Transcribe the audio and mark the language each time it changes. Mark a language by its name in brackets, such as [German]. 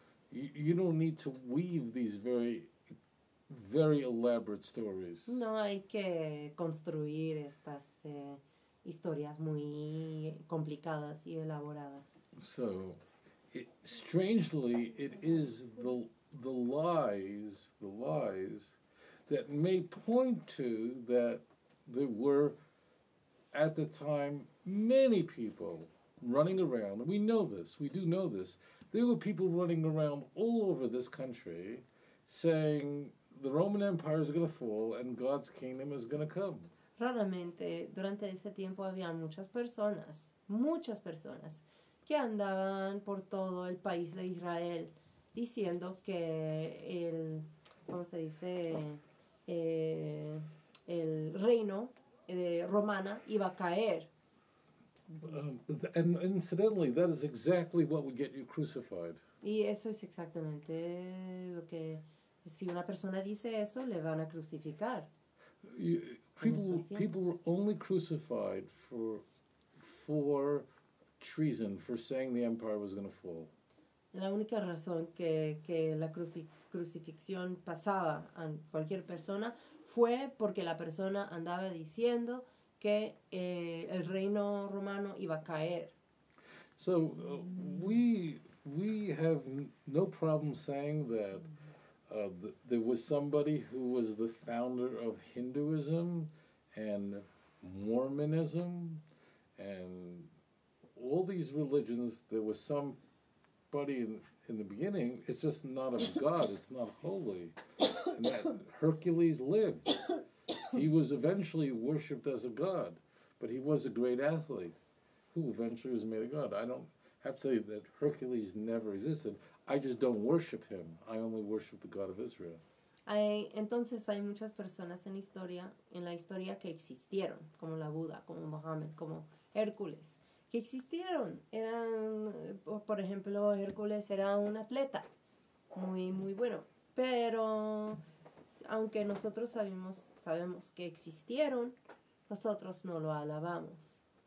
[English] You don't need to weave these very, very elaborate stories. [Spanish] No hay que construir estas historias muy complicadas y elaboradas. [English] So, strangely, it is the lies that may point to that there were, at the time, many people running around. We know this. We do know this. There were people running around all over this country saying the Roman Empire is going to fall and God's kingdom is going to come. [Spanish] Raramente, durante ese tiempo, había muchas personas, que andaban por todo el país de Israel diciendo que el, ¿cómo se dice? El reino romana iba a caer. [English] And incidentally, that is exactly what would get you crucified. [Spanish] Y eso es exactamente lo que, si una persona dice eso, le van a crucificar. [English] People were only crucified for treason, for saying the empire was going to fall. [Spanish] La única razón que la crucifixión pasaba a cualquier persona fue porque la persona andaba diciendo que el reino romano iba a caer. [English] So we have no problem saying that there was somebody who was the founder of Hinduism and Mormonism and all these religions. There was somebody in the beginning. It's just not of God. It's not holy. And that Hercules lived. He was eventually worshipped as a god, but he was a great athlete who eventually was made a god. I don't have to say that Hercules never existed. I just don't worship him. I only worship the God of Israel. [Spanish] Entonces hay muchas personas en la historia que existieron, como la Buda, como Mohammed, como Hércules, que existieron. Eran, por ejemplo, Hércules era un atleta muy, muy bueno, pero aunque nosotros sabemos que existieron, nosotros no lo alabamos.